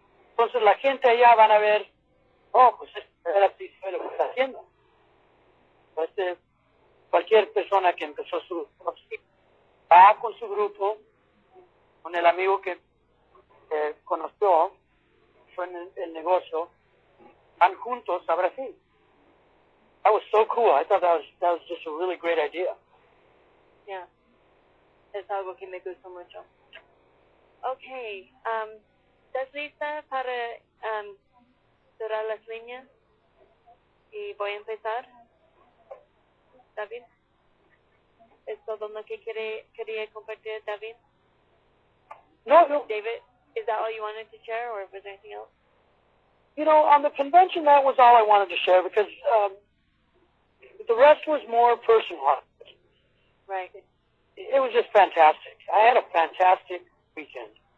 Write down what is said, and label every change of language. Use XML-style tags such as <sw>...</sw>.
<es>Entonces la gente allá van a ver, oh, pues este es lo que está haciendo. Cualquier persona que empezó su va con su grupo, con el amigo que conoció, fue en el negocio, van juntos a Brasil.</es> <en>That was so cool. I thought that was just a really great idea.</en> <es>Yeah, es algo que me gusta mucho. Okay, ¿estás lista para cerrar las líneas? Y voy a empezar. David, ¿es todo lo que quería compartir, David? No.</es> <en>David, is that all you wanted to share, or was there anything else? You know, on the convention, that was all I wanted to share, because the rest was more personal. Right. It was just fantastic. I had a fantastic weekend.</en>